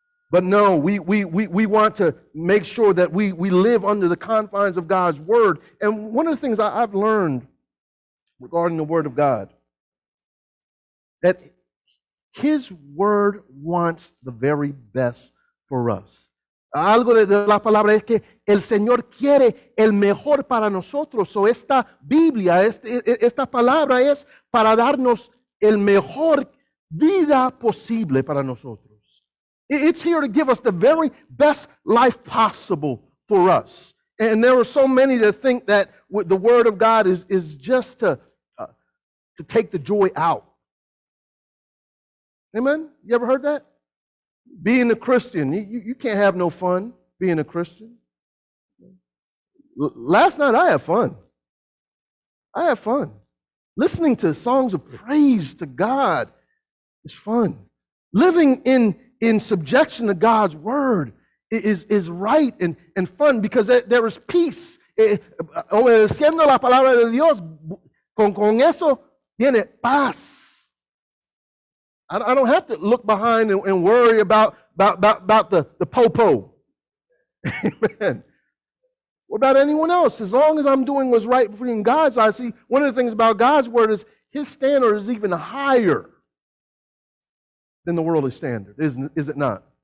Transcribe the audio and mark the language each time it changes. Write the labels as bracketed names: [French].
[English] But no, we want to make sure that we live under the confines of God's word. And one of the things I've learned regarding the word of God, that his word wants the very best for us. [Spanish] Algo de la palabra es que el Señor quiere el mejor para nosotros. So esta Biblia, esta palabra es para darnos el mejor vida posible para nosotros. [English] It's here to give us the very best life possible for us. And there are so many that think that the Word of God is just to to take the joy out. Amen? You ever heard that? Being a Christian, you can't have no fun being a Christian. Last night, I had fun. I had fun. Listening to songs of praise to God is fun. Living in subjection to God's word is right and fun because there is peace. [Spanish] Obedeciendo la palabra de Dios, con eso viene paz. [English] I don't have to look behind and worry about the popo. Amen. What about anyone else? As long as I'm doing what's right between God's eyes, see, one of the things about God's word is his standard is even higher than the worldly standard, is it not?